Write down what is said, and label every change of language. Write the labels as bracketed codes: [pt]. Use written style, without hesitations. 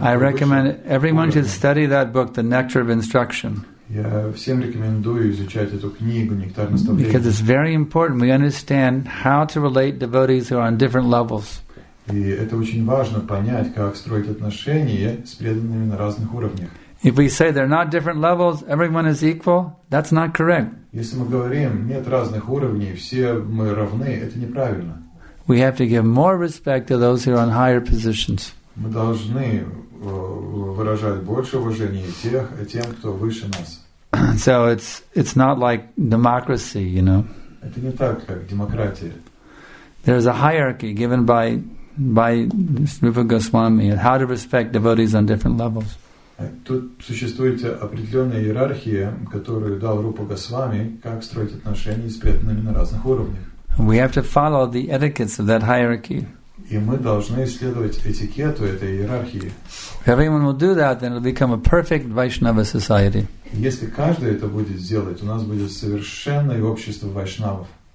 [en] I recommend everyone should study that book, The Nectar of Instruction. [ru] Я всем рекомендую изучать эту книгу «Нектар наставления». [en] Because it's very important we understand how to relate devotees who are on different levels. [ru] И это очень важно понять, как строить отношения с преданными на разных уровнях. [en] If we say they're not different levels, everyone is equal, that's not correct. [ru] Если мы говорим нет разных уровней, все мы равны, это неправильно. [en] We have to give more respect to those who are on higher positions. [ru] Мы должны выражать больше уважения тем, кто выше нас. [en] So it's not like democracy, you know. [ru] Это не так, как демократия. [en] There's a hierarchy given by Rupa Goswami and how to respect devotees on different levels. [ru] Тут существует определенная иерархия, которую дал Рупа Госвами, как строить отношения с преданными на разных уровнях. [en] We have to follow the etiquettes of that hierarchy. [ru] И мы должны следовать этикету этой иерархии. [en] Everyone will do that, then it'll become a perfect Vaishnava society. [ru] Если каждый это будет делать, у нас будет совершенное общество вайшнавов.